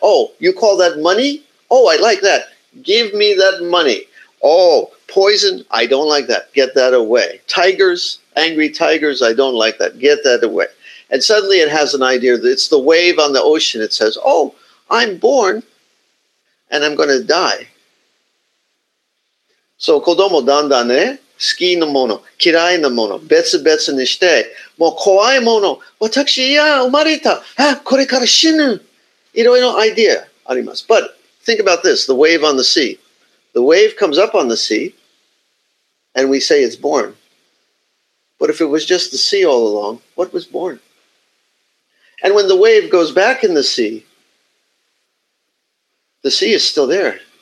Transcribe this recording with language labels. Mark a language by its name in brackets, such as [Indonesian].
[English] Oh, you call that money? Oh, I like that, give me that money. Oh, poison, I don't like that, get that away. Tigers, angry tigers, I don't like that, get that away. And suddenly it has an idea, that it's the wave on the ocean. It says, oh, I'm born and I'm going to die. [Japanese] So, 子供だんだんね、好きなもの、嫌いなもの、別々にして、もう怖いもの、私、いや、生まれた、あ、これから死ぬ、いろいろアイデアあります。 [English] But, think about this, the wave on the sea. The wave comes up on the sea, and we say it's born. But if it was just the sea all along, what was born? And when the wave goes back in the sea is still there.